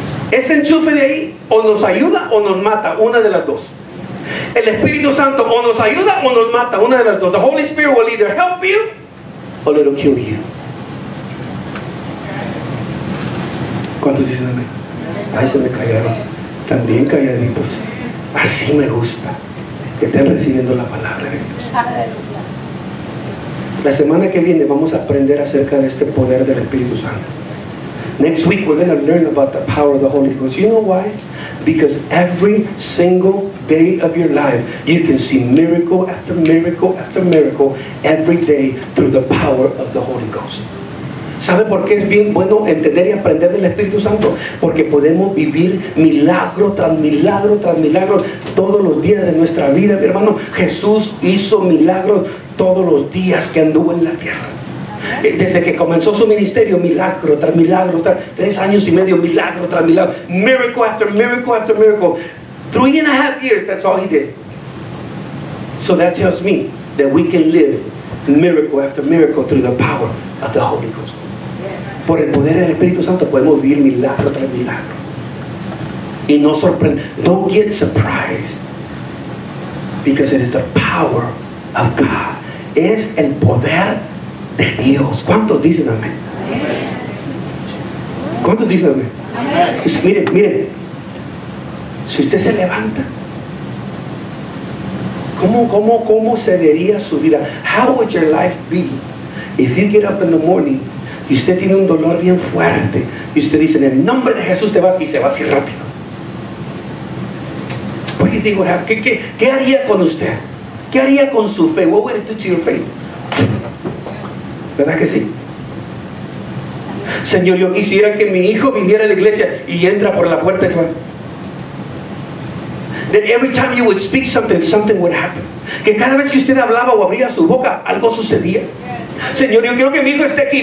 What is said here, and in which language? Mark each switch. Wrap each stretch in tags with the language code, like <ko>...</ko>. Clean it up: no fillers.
<es>Ese enchufe de ahí o nos ayuda o nos mata, una de las dos. El Espíritu Santo o nos ayuda o nos mata, una de las dos.</es> <en>The Holy Spirit will either help you or it'll kill you.</en> <es>¿Cuántos dicen amén? Ahí se me callaron. También calladitos. Así me gusta que estén recibiendo la palabra de Dios. La semana que viene vamos a aprender acerca de este poder del Espíritu Santo.</es> <en>Next week we're going to learn about the power of the Holy Ghost. You know why? Because every single day of your life, you can see miracle after miracle after miracle every day through the power of the Holy Ghost.</en> <es>¿Sabe por qué es bien bueno entender y aprender del Espíritu Santo? Porque podemos vivir milagro tras milagro tras milagro todos los días de nuestra vida, mi hermano. Jesús hizo milagros todos los días que anduvo en la tierra. Desde que comenzó su ministerio, milagro tras milagro, tras 3 años y medio, milagro tras milagro,</es> <en>miracle after miracle after miracle. 3.5 years, that's all he did. So that tells me that we can live miracle after miracle through the power of the Holy Ghost.</en> <es>Por el poder del Espíritu Santo podemos vivir milagro tras milagro. Y no sorprende,</es> <en>don't get surprised, because it is the power of God.</en> <es>Es el poder de Dios. ¿Cuántos dicen amén? ¿Cuántos dicen amén? Pues miren, si usted se levanta, ¿cómo se vería su vida?</es> <en>How would your life be if you get up in the morning</en> <es>y usted tiene un dolor bien fuerte y usted dice, en el nombre de Jesús te vas, y se va así rápido? ¿Por qué digo, qué haría con usted? ¿Qué haría con su fe?</es> <en>What would it do to your faith?</en> <es>¿Verdad que sí? Señor, yo quisiera que mi hijo viniera a la iglesia y entra por la puerta.</es> <en>That every time you would speak something, something would happen.</en> <es>Que cada vez que usted hablaba o abría su boca, algo sucedía. Señor, yo quiero que mi hijo esté aquí.</es>